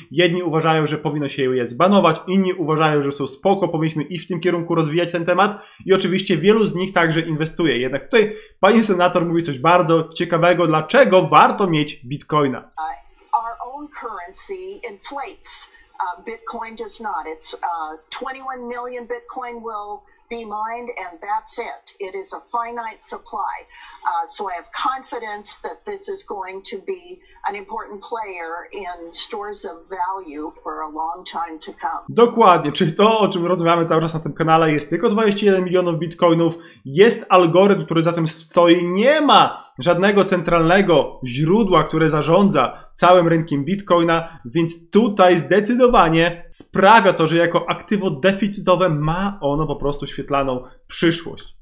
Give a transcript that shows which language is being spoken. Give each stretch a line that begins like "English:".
Polish: Jedni uważają, że powinno się je zbanować, inni uważają, że są spoko, powinniśmy iść w tym kierunku, rozwijać ten temat i oczywiście wielu z nich także inwestuje. Jednak tutaj pani senator mówi coś bardzo ciekawego, dlaczego warto mieć bitcoina.
English: Our own currency inflates. Bitcoin does not. It's 21 million Bitcoin will be mined and that's it. It is a finite supply. So I have confidence that this is going to be an important player in stores of value for a long time to come.
Polish: Dokładnie, czyli to, o czym rozmawiamy cały czas na tym kanale, jest tylko 21 milionów Bitcoinów. Jest algorytm, który za tym stoi. Nie ma żadnego centralnego źródła, które zarządza całym rynkiem Bitcoina, więc tutaj zdecydowanie sprawia to, że jako aktywo deficytowe ma ono po prostu świetlaną przyszłość.